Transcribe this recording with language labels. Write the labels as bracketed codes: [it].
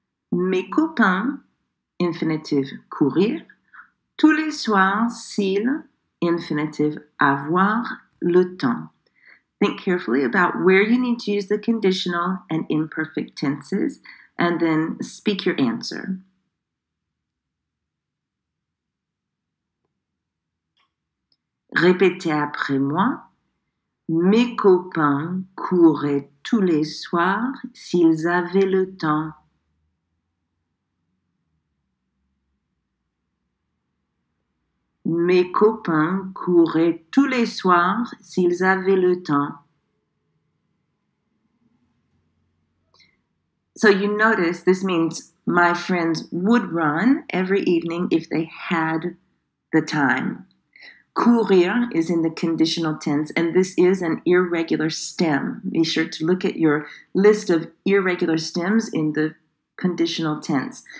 [fr] Mes copains, infinitive courir, tous les soirs s'ils, infinitive avoir le temps. [en] Think carefully about where you need to use the conditional and imperfect tenses, and then speak your answer. [fr] Répétez après moi. Mes copains couraient tous les soirs s'ils avaient le temps. Mes copains couraient tous les soirs s'ils avaient le temps. [en] So you notice this means my friends would run every evening if they had the time. Courir is in the conditional tense, and this is an irregular stem. Be sure to look at your list of irregular stems in the conditional tense.